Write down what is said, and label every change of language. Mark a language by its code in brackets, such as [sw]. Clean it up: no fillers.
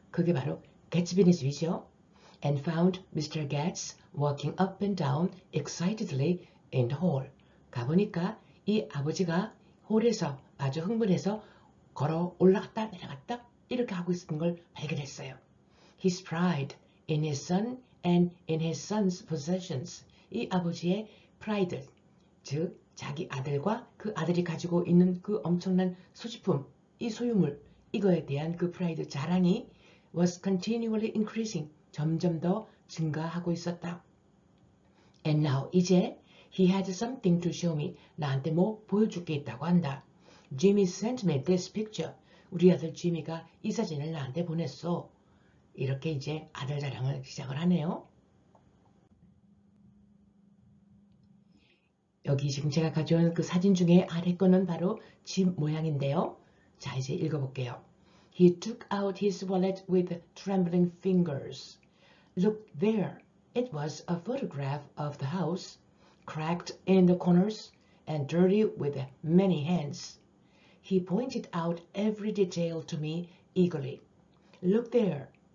[ko] 그게 바로 개츠비네 집이죠. [en] And found Mr. Getz walking up and down excitedly in the hall. [ko] 가보니까 이 아버지가 홀에서 아주 흥분해서 걸어 올라갔다 내려갔다 이렇게 하고 있었던 걸 발견했어요. [en] His pride in his son and in his son's possessions. [ko] 이 아버지의 pride, 즉 자기 아들과 그 아들이 가지고 있는 그 엄청난 소지품, 이 소유물, 이거에 대한 그 프라이드 자랑이 [en] was continually increasing, [ko] 점점 더 증가하고 있었다. [en] And now, [ko] 이제 [en] he had something to show me, [ko] 나한테 뭐 보여줄 게 있다고 한다. [en] Jimmy sent me this picture. [ko] 우리 아들 Jimmy가 이 사진을 나한테 보냈어. 이렇게 이제 아들 자랑을 시작을 하네요. 여기 지금 제가 가져온 그 사진 중에 아래 거는 바로 집 모양인데요. 자, 이제 읽어볼게요. [en] He took out his wallet with trembling fingers. Look there. It was a photograph of the house, cracked in the corners and dirty with many hands. He pointed out every detail to me eagerly. Look there.